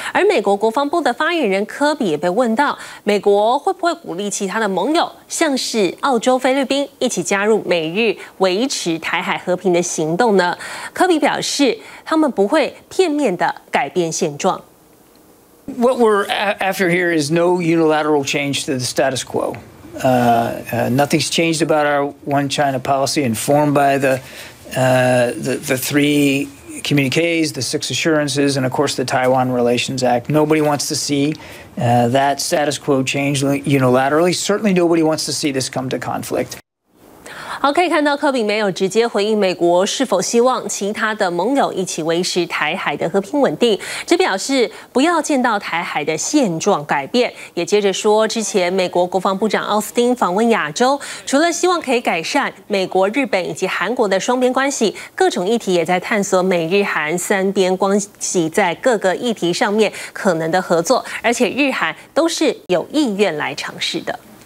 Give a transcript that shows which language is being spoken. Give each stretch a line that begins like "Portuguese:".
Chinese: 而美国国防部的发言人科比也被问到，美国会不会鼓励其他的盟友，像是澳洲、菲律宾一起加入美日维持台海和平的行动呢？科比表示，他们不会片面的改变现状。
English: What we're after here is no unilateral change to the status quo. Nothing's changed about our one China policy informed by the three communiques, the six assurances, and of course the Taiwan Relations Act. Nobody wants to see that status quo change unilaterally. Certainly nobody wants to see this come to conflict.
Chinese: 好，可以看到科比没有直接回应美国是否希望其他的盟友一起维持台海的和平稳定，只表示不要见到台海的现状改变。也接着说，之前美国国防部长奥斯汀访问亚洲，除了希望可以改善美国、日本以及韩国的双边关系，各种议题也在探索美日韩三边关系在各个议题上面可能的合作，而且日韩都是有意愿来尝试的。